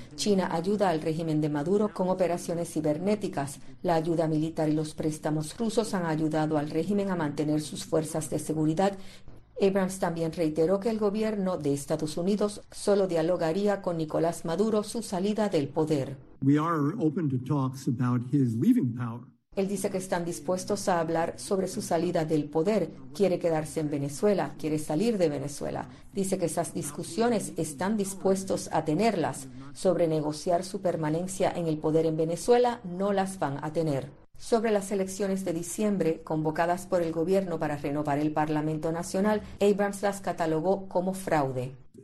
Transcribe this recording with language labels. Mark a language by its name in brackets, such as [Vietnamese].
[Spanish] China ayuda al régimen de Maduro con operaciones cibernéticas. La ayuda militar y los préstamos rusos han ayudado al régimen a mantener sus fuerzas de seguridad. Abrams también reiteró que el gobierno de Estados Unidos solo dialogaría con Nicolás Maduro su salida del poder. [English] We are open to talks about his leaving power. [Spanish] Él dice que están dispuestos a hablar sobre su salida del poder. Quiere quedarse en Venezuela, quiere salir de Venezuela. Dice que esas discusiones están dispuestos a tenerlas. Sobre negociar su permanencia en el poder en Venezuela, no las van a tener. Sobre las elecciones de diciembre, convocadas por el gobierno para renovar el Parlamento Nacional, Abrams las catalogó como fraude.